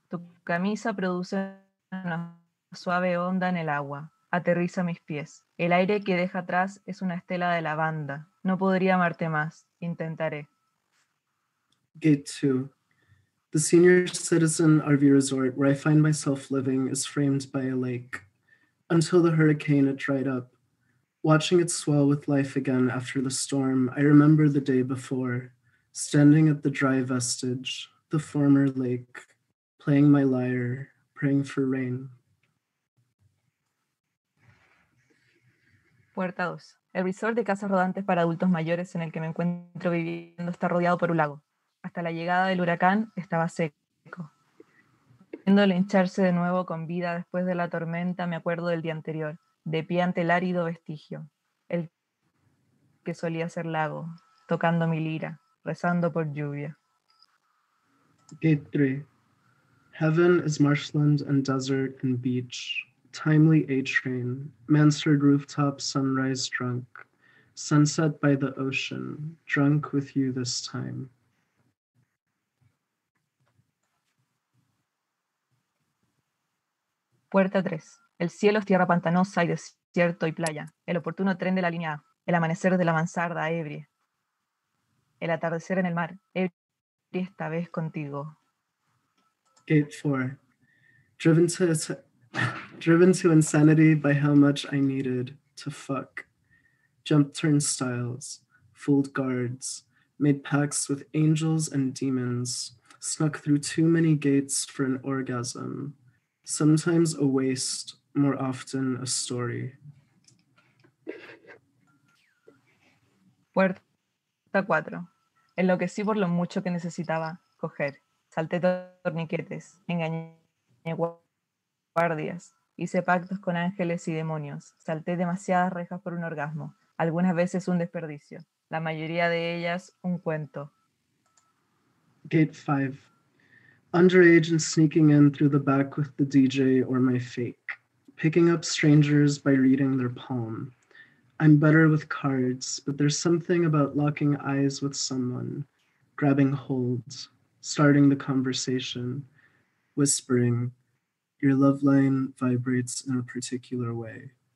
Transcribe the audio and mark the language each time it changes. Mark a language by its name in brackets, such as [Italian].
[Spanish] Tu camisa produce una suave onda en el agua. Aterriza mis pies. El aire que deja atrás es una estela de lavanda. No podría amarte más. Intentaré. [English] Gate 2. The senior citizen RV resort where I find myself living is framed by a lake. Until the hurricane it dried up. Watching it swell with life again after the storm, I remember the day before. Standing at the dry vestige, the former lake, playing my lyre, praying for rain. [Spanish] Puerta 2. El resort de casas rodantes para adultos mayores en el que me encuentro viviendo está rodeado por un lago. Hasta la llegada del huracán estaba seco. viéndolo hincharse de nuevo con vida después de la tormenta, me acuerdo del día anterior, de pie ante el árido vestigio, el que solía ser lago, tocando mi lira, rezando por lluvia. [English] Gate 3. Heaven is marshland and desert and beach, timely A-train, mansard rooftop, sunrise drunk, sunset by the ocean, drunk with you this time. [Spanish] Puerta 3. El cielo es tierra pantanosa y desierto y playa. El oportuno tren de la línea A. El amanecer de la mansarda, ebrie. El atardecer en el mar, ebrie esta vez contigo. [English] Gate 4. Driven to insanity by how much I needed to fuck. Jumped turnstiles, fooled guards, made pacts with angels and demons, snuck through too many gates for an orgasm. Sometimes a waste, more often a story. [Spanish] Puerta 4. Enloquecí por lo mucho que necesitaba coger. Salté torniquetes, engañé guardias, hice pactos con ángeles y demonios. Salté demasiadas rejas por un orgasmo, algunas veces un desperdicio, la mayoría de ellas un cuento. [English] Gate 5. Underage and sneaking in through the back with the DJ or my fake. Picking up strangers by reading their palm. I'm better with cards, but there's something about locking eyes with someone, grabbing hold, starting the conversation, whispering, your love line vibrates in a particular way.